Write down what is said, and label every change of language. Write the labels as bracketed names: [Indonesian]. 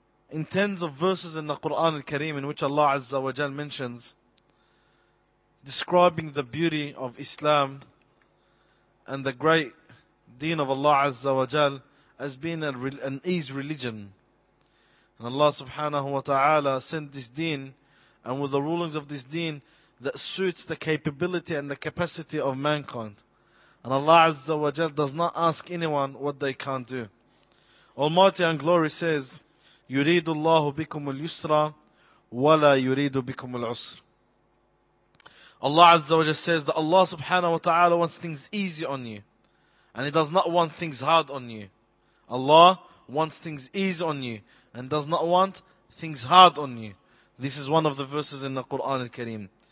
[English] In tens of verses in the Qur'an al-Kareem, in which Allah Azza wa Jal mentions, describing the beauty of Islam and the great deen of Allah Azza wa Jal as being an ease religion. And Allah subhanahu wa ta'ala sent this deen, and with the rulings of this deen, that suits the capability and the capacity of mankind. And Allah Azza wa Jal does not ask anyone what they can't do. Almighty and Glory says, [Arabic] يُرِيدُ اللَّهُ بِكُمُ الْيُسْرَ وَلَا يُرِيدُ بِكُمُ الْعُسْرَ. [English] Allah Azza wa Jal says that Allah subhanahu wa ta'ala wants things easy on you, and He does not want things hard on you. Allah wants things easy on you and does not want things hard on you. This is one of the verses in the Qur'an al-Kareem.